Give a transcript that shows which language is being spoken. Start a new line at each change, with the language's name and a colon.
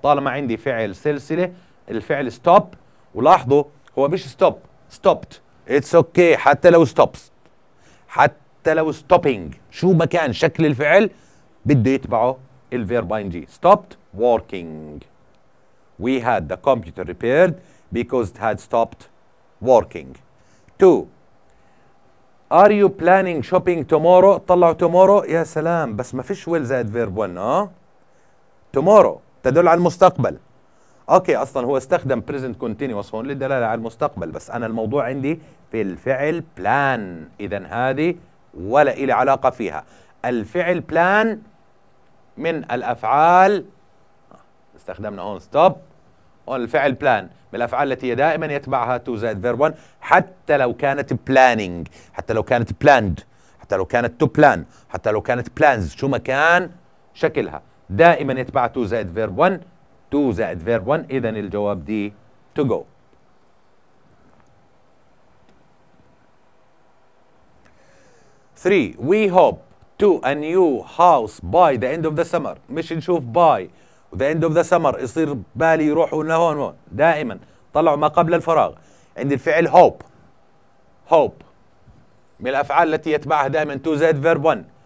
Arabic: طالما عندي فعل سلسلة الفعل stop, ولاحظوا هو مش stop, stopped,
English: it's okay,
Arabic: حتى لو stops, حتى لو stopping, شو مكان شكل الفعل بده يتبعه الverb ing, stopped working.
English: We had the computer repaired because it had stopped working. Two. Are you planning shopping tomorrow?
Arabic: طلعوا
English: tomorrow.
Arabic: يا سلام, بس ما فيش will زائد verb one. Tomorrow تدل على المستقبل. أوكي, أصلا هو استخدم present continuous هون للدلالة على المستقبل, بس أنا الموضوع عندي في الفعل plan. إذن هذه ولا إلي علاقة فيها. الفعل plan من الأفعال, استخدمنا هون stop, هون الفعل plan من الأفعال التي دائما يتبعها to زائد verb 1, حتى لو كانت planning, حتى لو كانت planned, حتى لو كانت to plan, حتى لو كانت plans, شو ما كان شكلها دائما يتبعها to زائد verb 1, to زائد verb 1. إذن الجواب دي to go.
English: Three, we hope to a new house by the end of the summer.
Arabic: مش نشوف by the end of the summer يصير بالي يروحوا لهون هون, دائما طلعوا ما قبل الفراغ. عند الفعل hope, hope من الأفعال التي يتبعها دائما to زائد verb 1.